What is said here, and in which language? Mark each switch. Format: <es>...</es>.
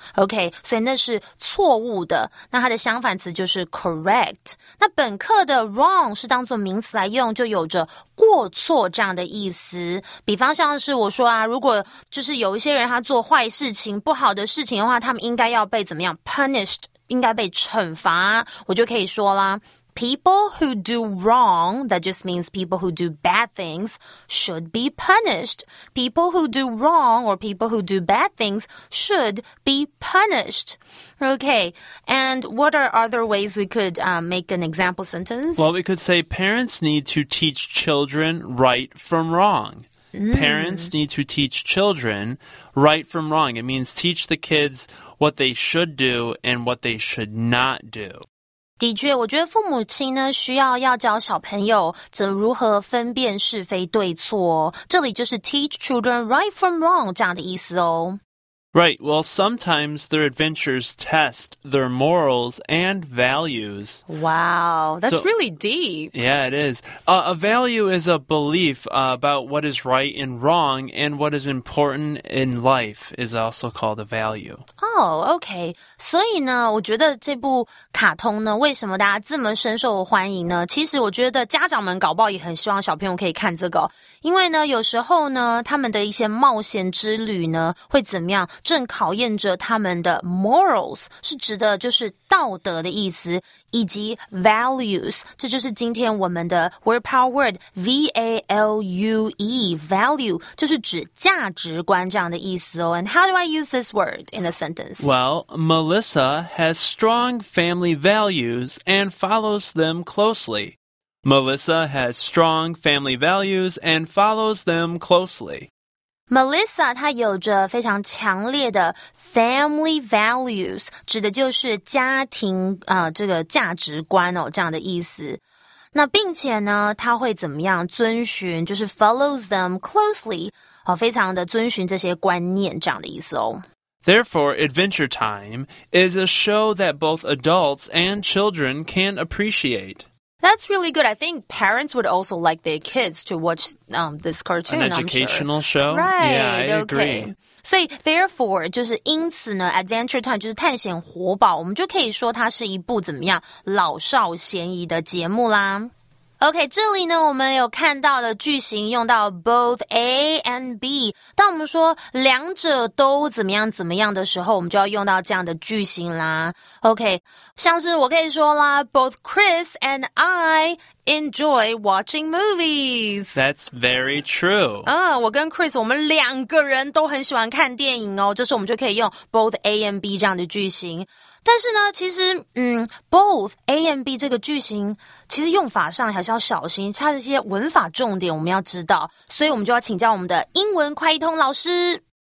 <zh>OK, 所以那是错误的。那它的相反词就是 correct. 那本课的 wrong 是当作名词来用就有着过错这样的意思。比方像是我说啊如果就是有一些人他做坏事情不好的事情的话他们应该要被怎么样 punished, 应该被惩罚。我就可以说啦</zh> <en>people who do wrong, that just means people who do bad things, should be punished. People who do wrong or people who do bad things should be punished. Okay, and what are other ways we could, make an example sentence? Well, we could say parents need to teach children right from wrong. Parents need to teach children right from wrong. It means teach the kids what they should do and what they should not do.</en> <zh>的确我觉得父母亲呢需要要教小朋友怎如何分辨是非对错哦。这里就是</zh> <en>teach children right from wrong</en> <zh>这样的意思哦。</zh> <en>Right, well, sometimes their adventures test their morals and values. Wow, that's so, really deep. Yeah, it is. A value is a belief, about what is right and wrong, and what is important in life is also called a value. Oh, okay.</en> <zh>所以呢，我觉得这部卡通呢，为什么大家这么深受欢迎呢？其实我觉得家长们搞不好也很希望小朋友可以看这个，因为呢，有时候呢，他们的一些冒险之旅呢，会怎么样？正考验着他们的 morals 是指的就是道德的意思以及 values 这就是今天我们的 word power word V-A-L-U-E value 就是指价值观这样的意思哦</zh> <en>And how do I use this word in a sentence? Well, Melissa has strong family values and follows them closely Melissa has strong family values and follows them closely</en> <zh>Melissa, 她有着非常强烈的 family values, 指的就是家庭这个价值观哦这样的意思。那并且呢她会怎么样遵循就是</zh> <en>follows them closely,</en> <zh>非常的遵循这些观念这样的意思哦。</zh> <en>Therefore, Adventure Time is a show that both adults and children can appreciate. That's really good. I think parents would also like their kids to watch this cartoon, An educational show? Right, yeah, I agree. So, therefore,</en> <zh>就是因此呢 Adventure Time 就是探险活宝我们就可以说它是一部怎么样老少咸宜的节目啦。 OK, 这里呢我们有看到的句型用到 both A and B。当我们说两者都怎么样怎么样的时候我们就要用到这样的句型啦。</zh> <en>OK,</en> <zh>像是我可以说啦</zh> <en>both Chris and I enjoy watching movies. That's very true.</en> <zh>我跟 Chris, 我们两个人都很喜欢看电影哦这时候我们就可以用 both A and B 这样的句型。但是呢其实both A and B 这个句型其实用法上还是要小心它这些文法重点我们要知道所以我们就要请教我们的英文快译通老师。</zh>